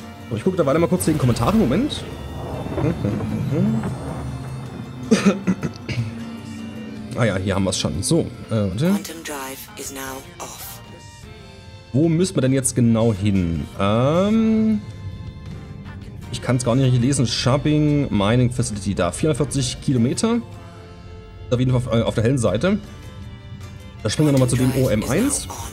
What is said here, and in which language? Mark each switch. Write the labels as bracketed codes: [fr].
[de] So, ich gucke da weiter mal kurz in den Kommentaren. Moment. Ah ja, hier haben wir es schon. So, warte. [en] Quantum Drive is now off. [de] Wo müssen wir denn jetzt genau hin? Ich kann es gar nicht richtig lesen. Shopping Mining Facility da. 440 Kilometer. Auf jeden Fall auf der hellen Seite. Da springen wir nochmal zu dem OM1.